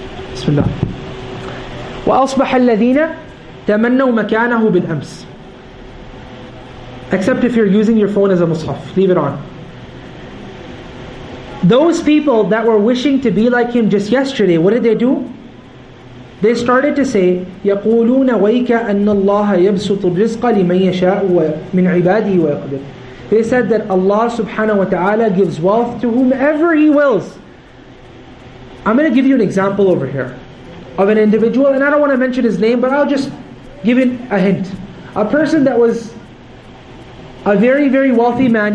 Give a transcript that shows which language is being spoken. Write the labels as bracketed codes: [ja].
[ar] Bismillah. وَأَصْبَحَ الَّذِينَ تَمَنَّوا مَكَانَهُ بِالْأَمْسِ. [en] Except if you're using your phone as a mushaf, leave it on. Those people that were wishing to be like him just yesterday, what did they do? They started to say, [ar] يَقُولُونَ وَيْكَ أَنَّ اللَّهَ يَبْسُطُ الرِّزْقَ لِمَنْ يَشَاءُ وَمِنْ عِبَادِهِ وَيَقْدِرُ. [en] They said that Allah subhanahu wa ta'ala gives wealth to whomever He wills. I'm going to give you an example over here of an individual, and I don't want to mention his name, but I'll just give you a hint. A person that was a very, very wealthy man.